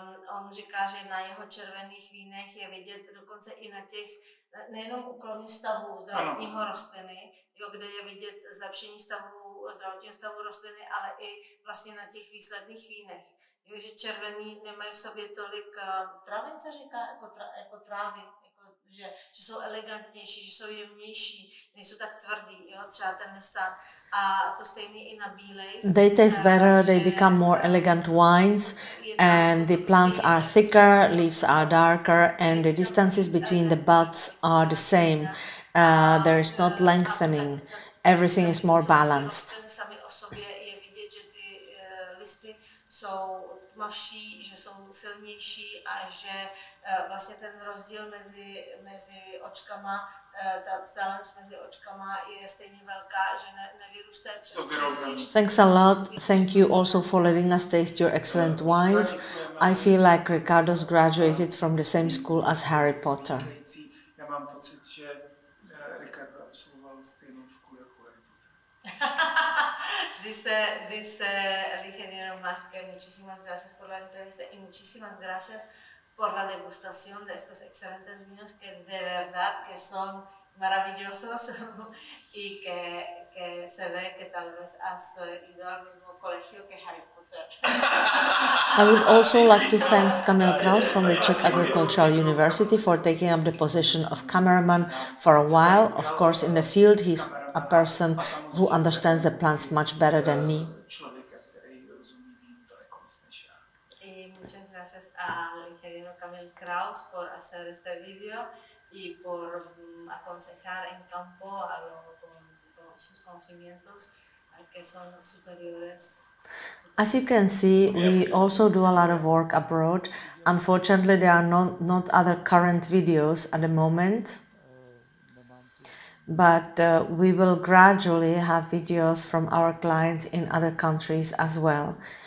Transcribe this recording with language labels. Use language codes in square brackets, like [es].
[cs] On říká, že na jeho červených vínech je vidět dokonce i na těch, nejenom u kolonii stavu zdravotního rostliny, jo, kde je vidět zlepšení stavu zdravotního stavu rostliny, ale i vlastně na těch výsledných vínech. Jo, že červený nemají v sobě tolik travence, říká, jako trávy. Že jsou elegantnější, že jsou jemnější, nejsou tak tvrdý, jo, třeba ten nestav. A to stejný i na bílej. [en] They taste better, they become more elegant wines, and the plants are thicker, leaves are darker, and the distances between the buds are the same. There is not lengthening, everything is more balanced. [cs] Sami o sobě je vidět, že ty listy jsou tmavší, že jsou silnější a že vlastně ten rozdíl mezi očkama, ta vzdálenost mezi očkama je stejně velká, že nevyrůstá přes. [en] Thanks a lot. Thank you also for letting us taste your excellent wines. I feel like Ricardo's graduated from the same school as Harry Potter. [cs] Já mám pocit, že Ricardo absolvoval stejnou školu jako Harry Potter. [es] Dice el ingeniero Mach que muchísimas gracias por la entrevista y muchísimas gracias por la degustación de estos excelentes vinos que de verdad que son maravillosos y que se ve que tal vez has ido al mismo colegio que Harry Potter. [en] I would also like to thank Kamil Kraus from the Czech Agricultural University for taking up the position of cameraman for a while. Of course, in the field, he's a person who understands the plants much better than me. [es] Muchas gracias al ingeniero Kamil Kraus por hacer este video y por aconsejar en campo con sus conocimientos que son superiores. [en] As you can see, we also do a lot of work abroad. Unfortunately, there are not other current videos at the moment. But we will gradually have videos from our clients in other countries as well.